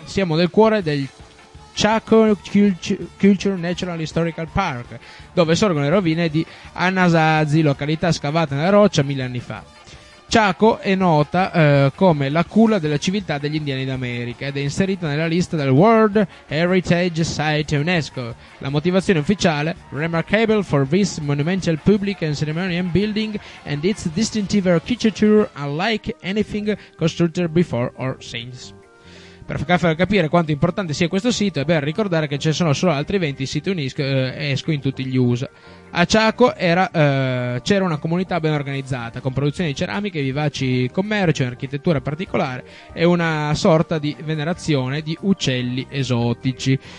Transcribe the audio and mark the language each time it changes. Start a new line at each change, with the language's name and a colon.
Italian: Siamo nel cuore del Chaco Culture Natural Historical Park, dove sorgono le rovine di Anasazi, località scavata nella roccia 1000 anni fa. Chaco è nota come la culla della civiltà degli indiani d'America ed è inserita nella lista del World Heritage Site UNESCO. La motivazione ufficiale:
English: remarkable for this monumental public and ceremonial building and its distinctive architecture unlike anything constructed before or since.
Italian: Per far capire quanto importante sia questo sito, è bene ricordare che ci sono solo altri 20 siti UNESCO in tutti gli USA. A Chaco c'era una comunità ben organizzata, con produzione di ceramiche, vivaci commerci, un'architettura particolare e una sorta di venerazione di uccelli esotici.